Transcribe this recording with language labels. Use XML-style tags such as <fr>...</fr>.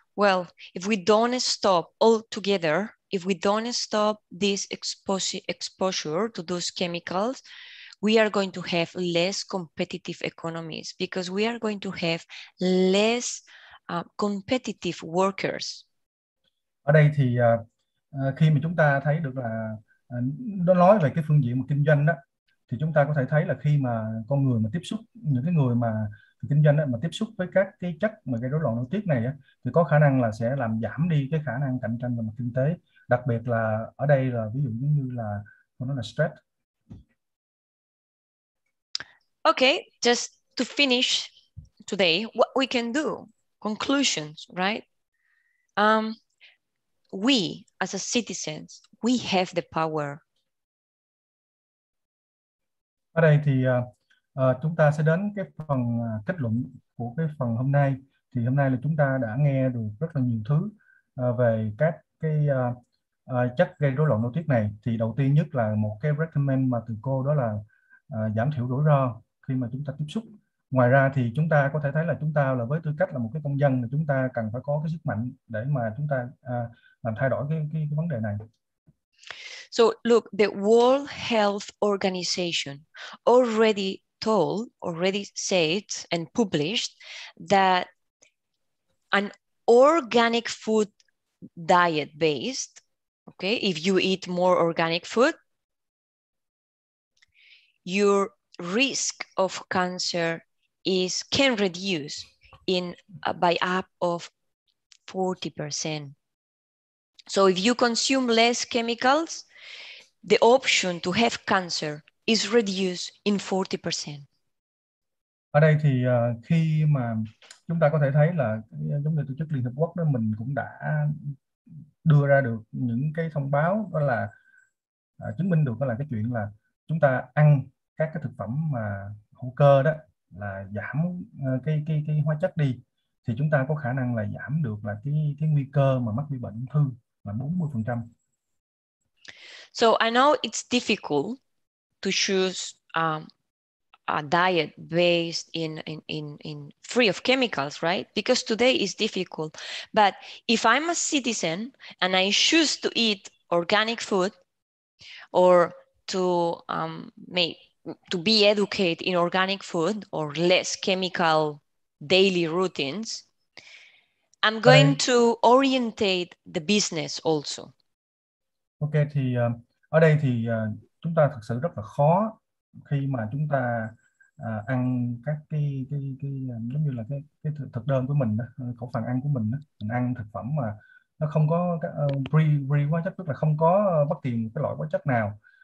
<en>Well, if we don't stop all together, if we don't stop this exposure to those chemicals, we are going to have less competitive economies because we are going to have less competitive workers.</en> <vi>Ở đây thì khi mà chúng ta thấy được là nó nói về cái phương diện mà kinh doanh đó, thì chúng ta có thể thấy là khi mà con người mà tiếp xúc, những cái người mà kinh doanh đó, mà tiếp xúc với các cái chất mà gây rối loạn nội tiết này á, thì có khả năng là sẽ làm giảm đi cái khả năng cạnh tranh về mặt kinh tế, đặc biệt là ở đây là ví dụ như là nó là stress.</vi> <en>Okay, just to finish today, what we can do, conclusions, right? We as a citizens, we have the power.</en> <vi>Ở đây thì chúng ta sẽ đến cái phần kết luận của cái phần hôm nay. Thì hôm nay là chúng ta đã nghe được rất là nhiều thứ về các cái chất gây rối loạn nội tiết này. Thì đầu tiên nhất là một cái recommend mà từ cô đó là giảm thiểu rủi ro khi mà chúng ta tiếp xúc. Ngoài ra thì chúng ta có thể thấy là chúng ta là với tư cách là một cái công dân thì chúng ta cần phải có cái sức mạnh để mà chúng ta làm thay đổi cái vấn đề này.</vi> <en>So look, the World Health Organization already said and published that an organic food diet based, okay, if you eat more organic food, your risk of cancer can reduce by up of 40%. So if you consume less chemicals, the option to have cancer is reduced in 40%. Ở đây thì khi mà chúng ta có thể thấy là giống như tổ chức Liên Hợp Quốc đó, mình cũng đã đưa ra được những cái thông báo đó là chứng minh được đó là cái chuyện là chúng ta ăn các cái thực phẩm mà hữu cơ đó là giảm cái hóa chất đi thì chúng ta có khả năng là giảm được là cái nguy cơ mà mắc bị bệnh ung thư là 40%. So I know it's difficult to choose a diet based in free of chemicals, right? Because today is difficult. But if I'm a citizen and I choose to eat organic food or to make to be educated in organic food or less chemical daily routines, I'm going to orientate the business also.</en> <vi>Ok, thì ở đây thì chúng ta thực sự rất là khó khi mà chúng ta ăn các cái giống như là cái thực đơn của mình đó, khẩu phần ăn của mình đó, mình ăn thực phẩm mà nó không có pre hóa chất, tức là không có bất kỳ một cái loại hóa chất nào.</vi>